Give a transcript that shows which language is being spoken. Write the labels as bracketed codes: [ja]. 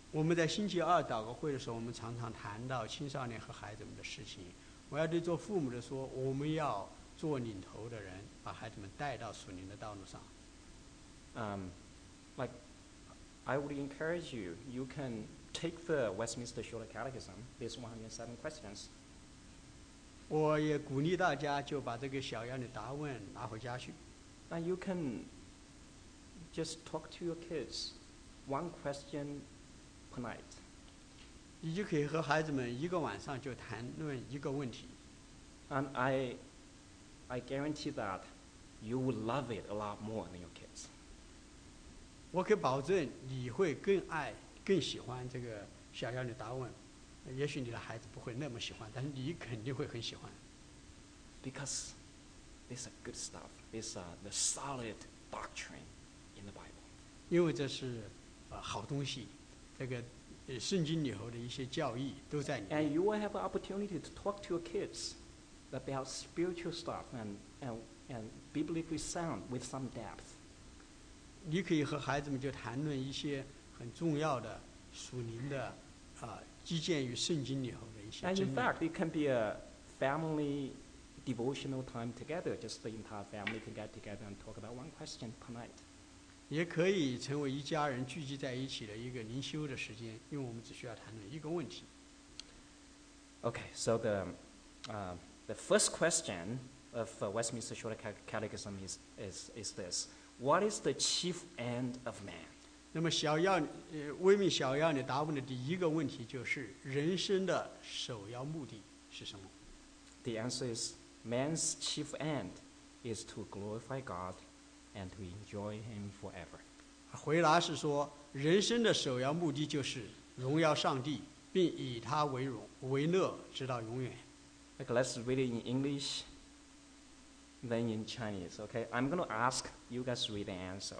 [zh] 我们在星期二祷告会的时候，我们常常谈到青少年和孩子们的事情。我要对做父母的说，我们要。做领头的人，把孩子们带到属灵的道路上。 [en] Like I would encourage you, you can take the Westminster Shorter Catechism, these 107 questions. [zh] 我也鼓励大家就把这个小样的答案拿回家去。 [en] And you can just talk to your kids one question per night. [zh] 你就可以和孩子们一个晚上就谈论一个问题。 [en] And I guarantee that you will love it a lot more than your kids. [zh] 我可以保证你会更爱更喜欢这个小样的答案。也许你的孩子不会那么喜欢，但是你肯定会很喜欢。 [en] Because this is good stuff. This is the solid doctrine in the Bible. [zh] 因为这是好东西，这个圣经里头的一些教义都在里面。 [en] And you will have an opportunity to talk to your kids about spiritual stuff and biblically sound with some depth. [zh] 你可以和孩子们就谈论一些很重要的属灵的基建于圣经里头的一些真理。 [en] And in fact, it can be a family devotional time together, just the entire family can get together and talk about one question per night. [zh] 也可以成为一家人聚集在一起的一个灵修的时间，因为我们只需要谈论一个问题。 [en] Okay, so the first question of Westminster Shorter Catechism is this: What is the chief end of man? [zh] 那么小样，微命小样的答问的第一个问题就是人生的首要目的是什么 [en] ？The answer is man's chief end is to glorify God and to enjoy Him forever. [zh] 回答是说，人生的首要目的就是荣耀上帝，并以他为荣为乐，直到永远。 [en] Okay, let's read it in English, then in Chinese. Okay, I'm going to ask you guys read the answer.